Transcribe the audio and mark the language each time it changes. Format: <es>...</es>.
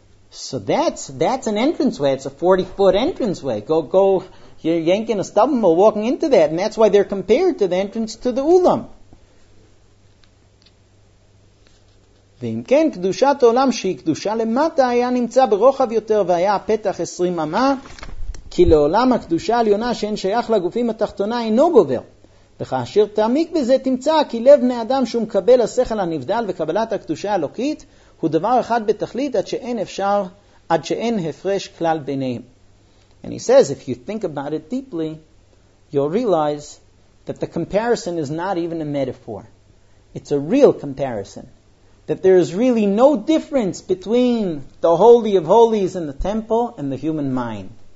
<en>So that's an entranceway. It's a 40-foot entranceway. Go, you're yanking a stubborn or walking into that, and that's why they're compared to the entrance to the Ulam.</en> <he>ואם כן, קדושת העולם שהיא קדושה למטה היה נמצא ברוחב יותר והיה הפתח 20 אמה, כי לעולם הקדושה העליונה שאין שייך לגופים התחתונה אינו גובר. וכאשר תעמיק בזה תמצא כי לב בני אדם שהוא מקבל השכל הנבדל וקבלת הקדושה האלוקית הוא דבר אחד בתכלית עד שאין הפרש כלל ביניהם.</he> <en>And he says, if you think about it deeply, you'll realize that the comparison is not even a metaphor. It's a real comparison. That there is really no difference between the Holy of Holies in the temple and the human mind.</en>